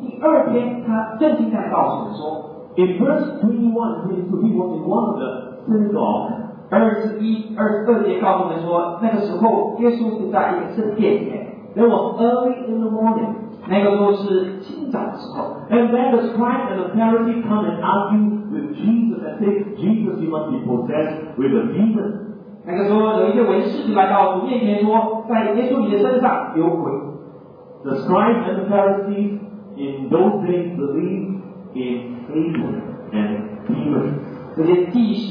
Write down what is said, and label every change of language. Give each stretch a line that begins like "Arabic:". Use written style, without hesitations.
Chinese: 讲他选了12门徒以后，第二天他正经在告诉我们说，
English: in verse 21, 22, he was in one of the synagogues.
Chinese: 21、22节告诉我们说，那个时候耶稣就在一个圣殿里面。
English: It was early in the morning.
Chinese: 那个时候是清早的时候。
English: And then the scribes and the Pharisees come and argue with Jesus and say, Jesus, you must be possessed with a demon.
Chinese: 那个时候有一些文士来到主面前说，在耶稣你的身上有鬼。
English: The scribes and the Pharisees in those days believed in Satan and demons.